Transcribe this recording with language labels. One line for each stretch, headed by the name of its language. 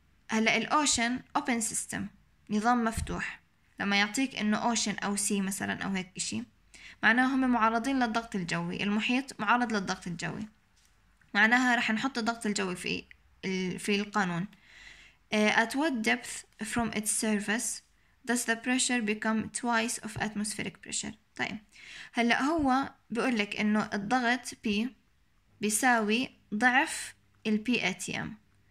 Arabic: هلأ الأوشن open system نظام مفتوح، لما يعطيك إنه ocean أو sea مثلا أو هيك إشي معناه هم معرضين للضغط الجوي، المحيط معرض للضغط الجوي، معناها رح نحط الضغط الجوي في القانون.
English: At what depth from its surface does the pressure become twice of atmospheric pressure.
Arabic: طيب هلأ هو بيقول لك إنه الضغط P بيساوي ضعف الـ PATM.